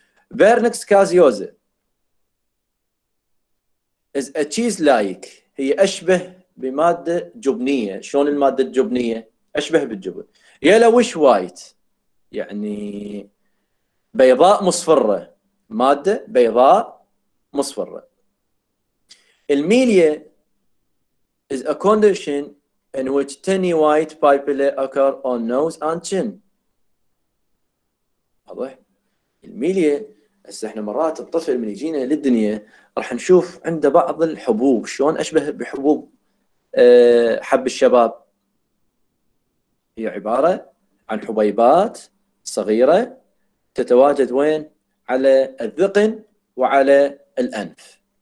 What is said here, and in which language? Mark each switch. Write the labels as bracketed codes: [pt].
[en] بيرنكس كازيوزا as a cheese like, [ar] هي اشبه بماده جبنيه. شلون الماده الجبنيه؟ اشبه بالجبن. [en] يلا وش وايت [ar] يعني بيضاء مصفره، ماده بيضاء مصفره. [en] الميليا is a condition in which tiny white papillae occur on nose and chin. [ar] واضح؟ الميليا هسه احنا مرات الطفل من يجينا للدنيا راح نشوف عنده بعض الحبوب، شلون اشبه بحبوب حب الشباب؟ هي عباره عن حبيبات صغيره تتواجد وين؟ على الذقن وعلى الانف.